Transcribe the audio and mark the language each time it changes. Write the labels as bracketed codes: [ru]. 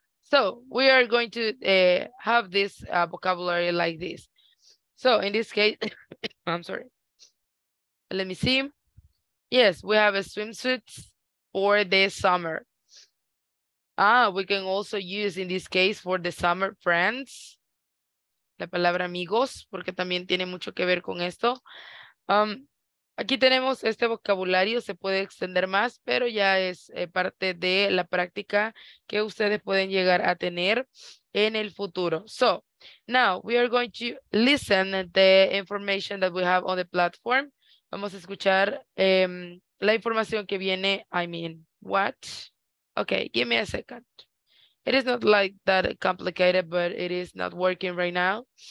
[en] So we are going to have this vocabulary like this. So in this case, I'm sorry. Let me see. Yes, we have a swimsuit for the summer. We can also use in this case for the summer friends. [es] La palabra amigos, porque también tiene mucho que ver con esto. Aquí tenemos este vocabulario, se puede extender más, pero ya es parte de la práctica que ustedes pueden llegar a tener en el futuro. [en] So, now we are going to listen the information that we have on the platform. [es] Vamos a escuchar la información que viene, what? [en] Okay, give me a second. It is not like that complicated, but it is not working right now.